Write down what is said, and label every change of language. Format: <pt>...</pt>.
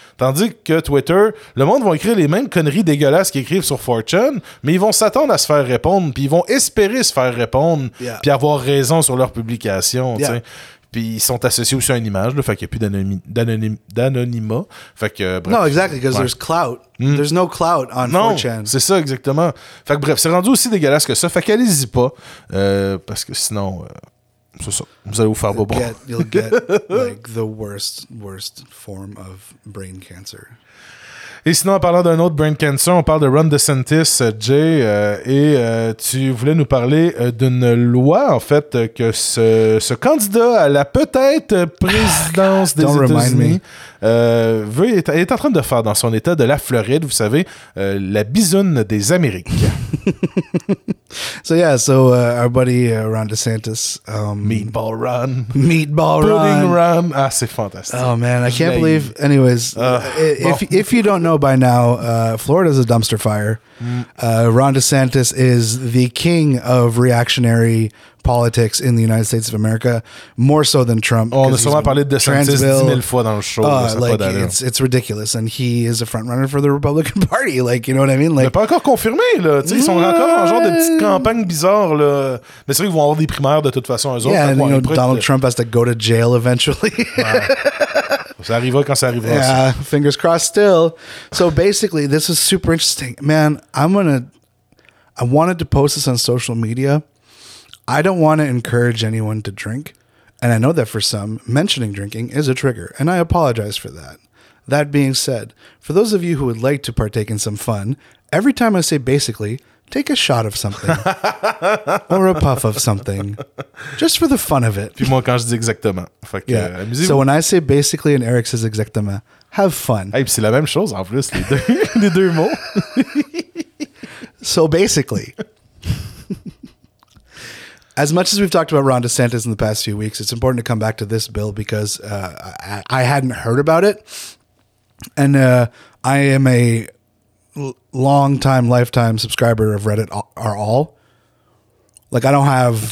<fr>Tandis que Twitter, le monde va écrire les mêmes conneries dégueulasses qu'ils écrivent sur 4chan, mais ils vont s'attendre à se faire répondre, puis ils vont espérer se faire répondre, yeah, puis avoir raison sur leur publication, yeah, tu sais. Puis ils sont associés aussi à une image, là, fait qu'il n'y a plus d'anonymat. Fait que,</fr> <en>bref. Non, exactly, because there's clout. Mm. There's no clout on 4chan.</en> <fr>Non, c'est ça, exactement. Fait que, bref, c'est rendu aussi dégueulasse que ça. Fait qu'allez-y pas, parce que sinon, c'est ça. Vous allez vous faire bobo.</fr> <en>You'll get like the worst form of brain cancer.</en> <fr>Et sinon, en parlant d'un autre brain cancer, on parle de Ron DeSantis, Jay, et tu voulais nous parler d'une loi, en fait, que ce candidat à la peut-être présidence des États-Unis est en train de faire dans son état de la Floride, vous savez, la bisoune des Amériques.</fr> <en>So our buddy Ron DeSantis. Meatball Ron. Meatball Ron.</en> <fr>Pudding Ron. Ah, c'est fantastique.</fr> <en>Oh man, I can't believe. Anyways, if you don't know by now, Florida is a dumpster fire. Ron DeSantis is the king of reactionary politics in the United States of America, more so than Trump.</en> <fr>On a souvent parlé de DeSantis 10,000 fois dans le show.</fr> <en>It's ridiculous, and he is a front runner for the Republican Party. Like, you know what I mean? Like,</en> <fr>pas encore confirmé là. Ils sont encore en genre de petite campagne bizarre là. Mais c'est vrai qu'ils vont avoir des primaires de toute façon. Eux autres,</fr> <en>yeah, and, you know, Donald Trump has to go to jail eventually.</en> <fr>Ça arrivera quand ça arrivera.</fr> <en>Yeah, fingers crossed still. So basically, this is super interesting, man. I wanted to post this on social media. I don't want to encourage anyone to drink, and I know that for some, mentioning drinking is a trigger, and I apologize for that. That being said, for those of you who would like to partake in some fun, every time I say basically, take a shot of something, or a puff of something, just for the fun of it.</en> <fr>Puis moi, quand je dis exactement, fait que, yeah.</fr> <en>So when I say basically and Eric says exactement, have fun.</en> <fr>Hey, c'est la même chose en plus, les deux mots.</fr> <en>So basically... As much as we've talked about Ron DeSantis in the past few weeks, it's important to come back to this bill because I hadn't heard about it. And I am a long-time, lifetime subscriber of Reddit R/All. Like, I don't have...</en>